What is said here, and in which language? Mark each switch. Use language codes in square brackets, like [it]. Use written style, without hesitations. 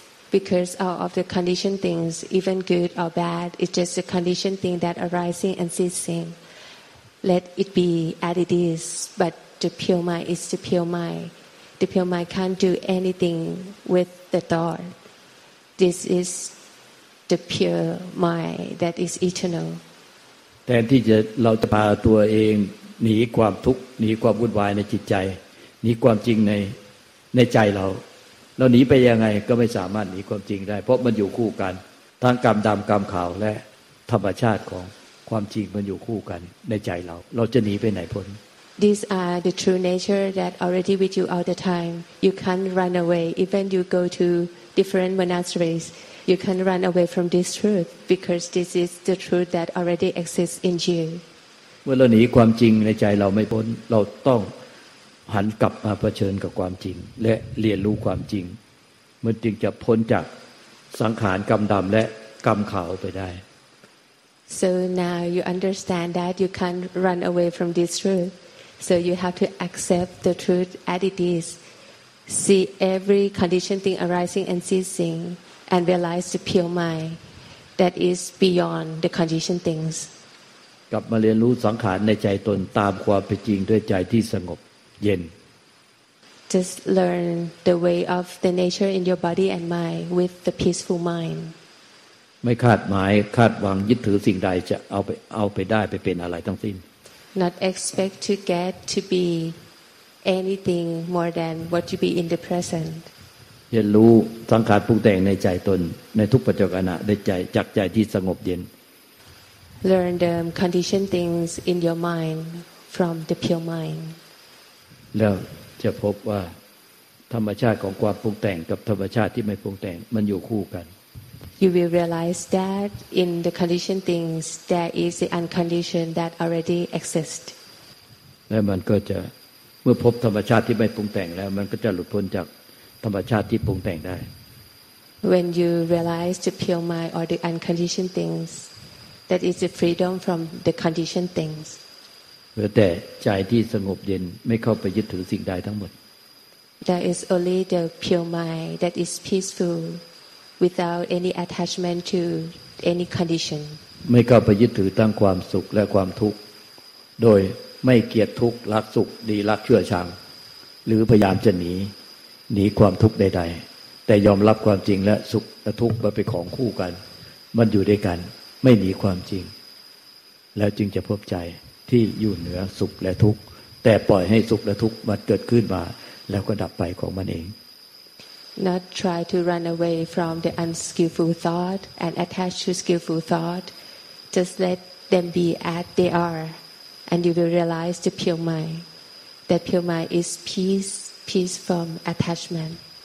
[en] because out of the conditioned things even good or bad it's just a conditioned thing that arising and ceasing let it be as it is but the pure mind is the pure mind the pure mind can't do anything withThe thought, this is the pure mind that is eternal. [th] แทนที่จะเราจะพาตัวเองหนีความทุกข์หนีความวุ่นวายในจิตใจหนีความจริงในใจเราหนีไปยังไงก็ไม่สามารถหนีความจริงได้เพราะมันอยู่คู่กันทั้งกรรมดำกรรมขาวและธรรมชาติของความจริงมันอยู่คู่กันในใจเราจะหนีไปไหนพ้น [en] These are the true nature that already with you all the time. You can't run away. Even you go to different monasteries, you can't run away from this truth because this is the truth that already exists in you. When we run away from the truth in our mind, we have to turn back to face the truth and learn the truth. When we can run away from the darkness of sanskara and the dark side. So now you understand that you can't run away from this truth. So you have to accept the truth as it is. See every conditioned thing arising and ceasing, and realize the pure mind that is beyond the conditioned things. [th] กลับมาเรียนรู้สังขารในใจตนตามความเป็นจริงด้วยใจที่สงบเย็น [en] Just learn the way of the nature in your body and mind with the peaceful mind. [th] ไม่คาดหมายคาดหวังยึดถือสิ่งใดจะเอาไปได้ไปเป็นอะไรทั้งสิ้น [en] Not expect to get to be anything more than what you be in the present. [th] เรียนรู้สังขารปรุงแต่งในใจตนในทุกปัจจุบันได้ใจจากใจที่สงบเย็น [en] Learn the conditioned things in your mind from the pure mind. [th] แล้วจะพบว่าธรรมชาติของความปรุงแต่งกับธรรมชาติที่ไม่ปรุงแต่งมันอยู่คู่กัน [en] You will realize that in the conditioned things there is the unconditioned that already exists. [th] และมันก็จะเมื่อพบธรรมชาติที่ไม่ปรุงแต่งแล้วมันก็จะหลุดพ้นจากธรรมชาติที่ปรุงแต่งได้ [en] When you realize the pure mind or the unconditioned things that is the freedom from the conditioned things. [th] แต่ใจที่สงบเย็นไม่เข้าไปยึดถือสิ่งใดทั้งหมด [en] There is only the pure mind that is peacefulwithout any attachment to any condition [th] ไม่เข้าไปยึดถือตั้งความสุขและความทุกข์โดยไม่เกลียดทุกข์รักสุขดีรักเชื่อชังหรือพยายามจะหนีความทุกข์ใดๆแต่ยอมรับความจริงและสุขและทุกข์มันเป็นของคู่กันมันอยู่ด้วยกันไม่หนีความจริงแล้วจึงจะพบใจที่อยู่เหนือสุขและทุกข์แต่ปล่อยให้สุขและทุกข์มันเกิดขึ้นมาแล้วก็ดับไปของมันเอง [en] Not try to run away from the unskillful thought and attach to skillful thought. Just let them be as they are, and you will realize the pure mind. That pure mind is peace, peace from attachment.